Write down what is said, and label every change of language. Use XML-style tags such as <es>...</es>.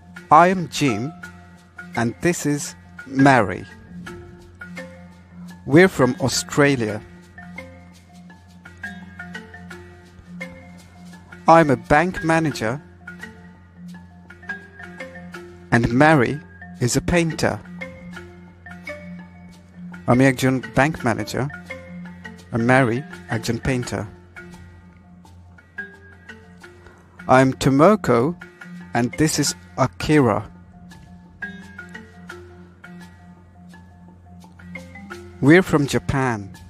<en>I am Jim and this is Mary. We're from Australia. I'm a bank manager and Mary is a painter.</en> <bn>আমি একজন bank manager আর Mary একজন painter.</bn> <en>I'm Tomoko and this is Akira. We're from Japan.</en>